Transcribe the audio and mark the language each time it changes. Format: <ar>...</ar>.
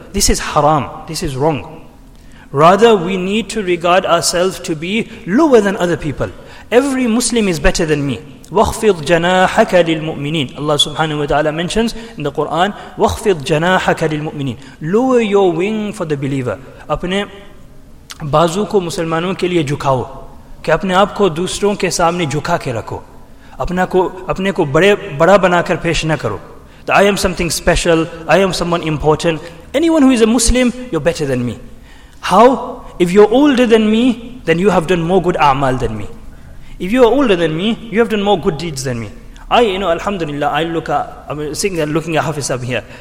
<en>This is haram, this is wrong. Rather, we need to regard ourselves to be lower than other people. Every Muslim is better than me.</en> <ar>وَخْفِضْ جَنَاحَكَ لِلْمُؤْمِنِينَ</ar> <en>Allah Subhanahu Wa Ta'ala mentions in the Quran, وَخْفِضْ جَنَاحَكَ لِلْمُؤْمِنِينَ Lower your wing for the believer.</en> <ur>Apne بازو کو مسلمانوں کے لیے جھکاؤ, کہ اپنے آپ کو دوسروں کے سامنے جھکا کے رکھو, اپنے کو بڑا بنا کر پیش نہ کرو.</ur> <en>That I am something special, I am someone important. Anyone who is a Muslim, you're better than me. How? If you're older than me, then you have done more good a'mal than me. If you are older than me, you have done more good deeds than me. I'm looking at Hafiz Ab here.</en>